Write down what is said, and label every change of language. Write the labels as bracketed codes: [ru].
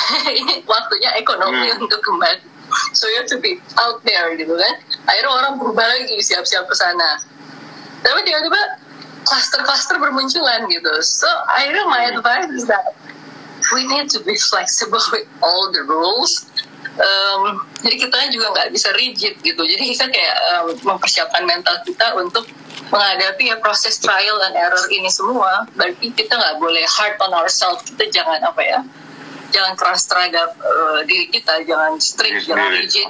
[id] Ini waktunya ekonomi untuk kembali. [en] So you have to be out there [id] gitu kan. Akhirnya orang berubah lagi, siap-siap ke sana. Tapi tiba-tiba cluster-cluster bermunculan gitu. [en] So akhirnya my advice is that we need to be flexible with all the rules. [id] Jadi kita juga gak bisa rigid gitu. Jadi kita kayak mempersiapkan mental kita untuk menghadapi ya proses trial and error ini semua. Berarti kita nggak boleh [en] hard on ourselves, [id] kita jangan apa ya, jangan keras terhadap diri kita, jangan strict, jangan rigid.